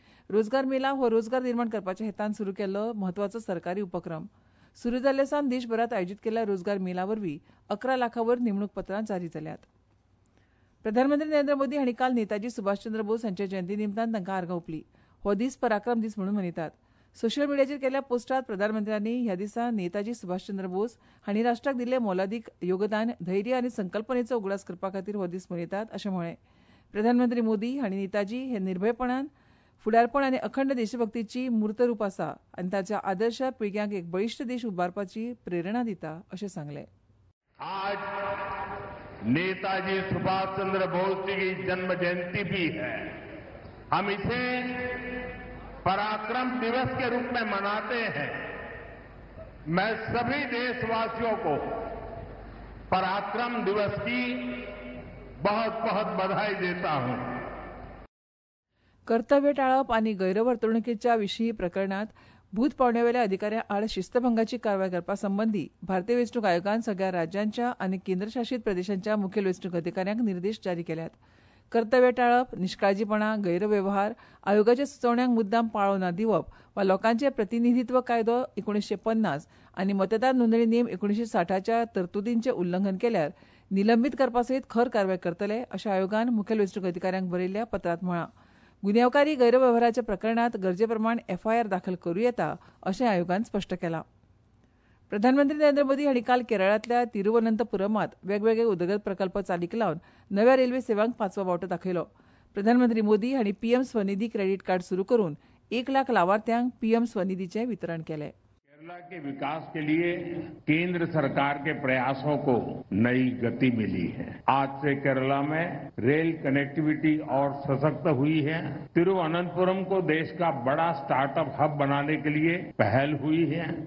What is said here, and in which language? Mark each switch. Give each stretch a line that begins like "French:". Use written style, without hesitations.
Konkani: रोजगार मेला हो रोजगार निर्माण करपाच्या हेतान सुरू केल्लो म्हत्वाचो सरकारी उपक्रम. सुरू जाल्ले सावन देशभरात आयोजित केल्ल्या रोजगार मेळावरवी 11,000+ नेमणूक पत्रां जारी जाल्यात. प्रधानमंत्री नरेंद्र मोदी हांणी काल नेताजी सुभाषचंद्र बोस हांच्या जयंती निमतान तांकां आर्गां ओंपली. हो दीस पराक्रम दीस म्हणून मनयतात. सोशल मिडियाचेर केल्ल्या पोस्टात प्रधानमंत्र्यांनी ह्या दिसा नेताजी सुभाषचंद्र बोस हांणी राष्ट्राक दिल्ले मोलादीक योगदान, धैर्य आनी संकल्पनेचो उगडास करपा खातीर हो दीस मनयतात अशें म्हळें. प्रधानमंत्री मोदी हांणी नेताजी हे निर्भयपणान, फुडारपण आनी अखंड देशभक्तीची मूर्त रूप आसा आनी ताच्या आदर्श पिळग्यांक एक बळिश्ट देश उबारपाची प्रेरणा दिता अशें सांगले.
Hindi: आज नेताजी सुभाष चंद्र बोस की जन्म जयंती भी है. हम इसे पराक्रम दिवस के रूप में मनाते हैं. मैं सभी देशवासियों को पराक्रम दिवस की बहुत बहुत बधाई देता हूं.
Konkani: कर्तव्य टाळप आणि गैरवर्तणुकीच्या विषयी प्रकरणात भूत पावण्यावेल्या अधिकाऱ्याआड शिस्तभंगाची कारवाई करपासंबंधी भारतीय वेंचणूक आयोगान सगळ्या राज्यांच्या आणि केंद्रशासित प्रदेशांच्या मुखेल वेंचणूक अधिकाऱ्यांक निर्देश जारी केल्यात. कर्तव्य टाळप, निष्काळजीपणा, गैरव्यवहार, आयोगाच्या सुचवण्यांक मुद्दाम पाळो ना दिवप वा लोकांचे प्रतिनिधित्व कायदो 1950 आनी मतदार नोंदणी नेम 1960च्या तरतुदींचे उल्लंघन केल्यार निलंबीत करपासयत खर कारवाई करतले अशे आयोगान मुखेल वेंचणूक अधिकाऱ्यांक बरयल्ल्या पत्रात म्हळां. गुन्यांवकारी गैरव्यवहाराच्या प्रकरणात गरजेप्रमाण FIR दाखल करू येता अशें आयोगान स्पष्ट केला. प्रधानमंत्री नरेंद्र मोदी हांणी काल केरळातल्या तिरुवनंतपुरमात वेगवेगळे उदरगत प्रकल्प चालीक लावन नव्या रेल्वे सेवांक 5वा वावटो दाखयलो. प्रधानमंत्री मोदी हांणी PM स्वनिधी क्रेडिट कार्ड सुरू करून 1,00,000 लावार्थ्यांक PM स्वनिधीचे वितरण केले.
Hindi: केरळा के विकास के लिए केंद्र सरकार के प्रयासों को नई गति मिली है. आज से केरला में रेल कनेक्टिविटी और सशक्त हुई है. तिरुवनंतपुरम को देश का बड़ा स्टार्टअप हब बनाने के लिए पहल हुई है.